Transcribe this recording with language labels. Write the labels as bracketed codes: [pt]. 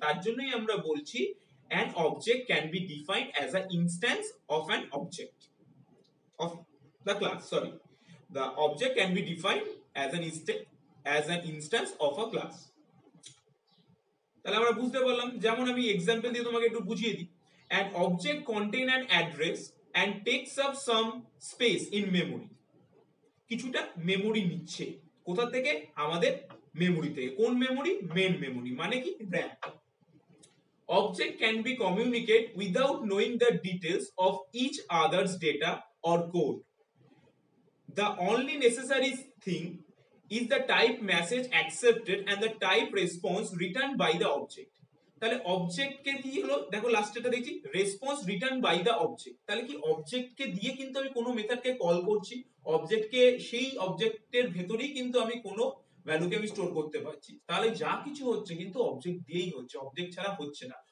[bn] তার জন্যই আমরা বলছি [en] An object can be defined as a instance of an object of the class, sorry, the object can be defined as an instance of a class. [bn] তাহলে আমরা বুঝতে পারলাম, যেমন আমি এক্সাম্পল দিয়ে তোমাকে একটু বুঝিয়ে দিই। [en] An object contain an address and takes up some space in memory. [bn] কিছুটা মেমরি নিচ্ছে কোথা থেকে, আমাদের মেমরি থেকে, কোন মেমরি, মেন মেমরি, মানে কি RAM. [en] Object can be communicate without knowing the details of each other's data or code. The only necessary thing is the type message accepted and the type response returned by the object. [bn] তাহলে অবজেক্টকে দিয়ে হলো, দেখো লাস্টটা দেখছি, [en] Response return by the object. [bn] তাহলে কি অবজেক্টকে দিয়ে কিন্তু আমি কোনো মেথডকে কল করছি, অবজেক্টকে, সেই অবজেক্টের ভেতরেই কিন্তু আমি কোনো ভ্যালুকে আমি স্টোর করতে পারছি। তাহলে যা কিছু হচ্ছে কিন্তু অবজেক্ট দিয়েই হচ্ছে, অবজেক্ট ছাড়া হচ্ছে না।